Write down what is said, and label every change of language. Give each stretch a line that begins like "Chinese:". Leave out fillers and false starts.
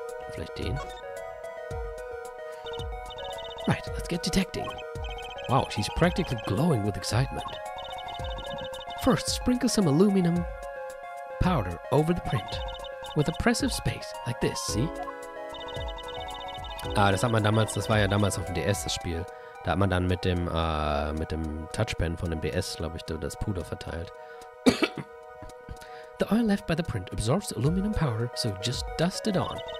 German: Vielleicht den?
English: Right, let's get detecting. Wow, she's practically glowing with excitement. First, sprinkle some aluminum powder over the print. With a press of space, like this, see?
German: Ah, das hat man damals, das war ja damals auf dem DS das Spiel. Da hat man dann mit dem Touchpen von dem DS, glaube ich, das Puder verteilt.
English: The oil left by the print absorbs aluminum powder, so just dust it on.